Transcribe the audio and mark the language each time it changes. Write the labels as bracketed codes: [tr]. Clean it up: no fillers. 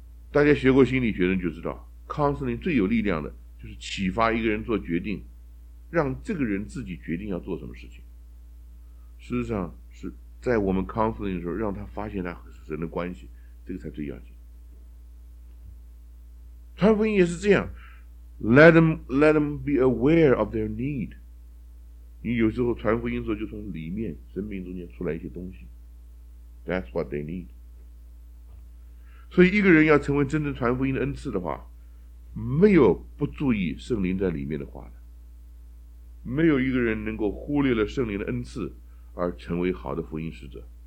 [zh] 大家学过心理学的人就知道 counseling 最有力量的就是启发一个人做决定，让这个人自己决定要做什么事情。事实上是在我们 counseling 的时候让他发现他和神的关系，这个才最要紧。传福音也是这样， [en] let them be aware of their need。 [zh] 你有时候传福音的时候就从里面生命中间出来一些东西， [en] That's what they need。 [zh] 所以一个人要成为真正传福音的恩赐的话，没有不注意圣灵在里面的话的，没有一个人能够忽略了圣灵的恩赐而成为好的福音使者。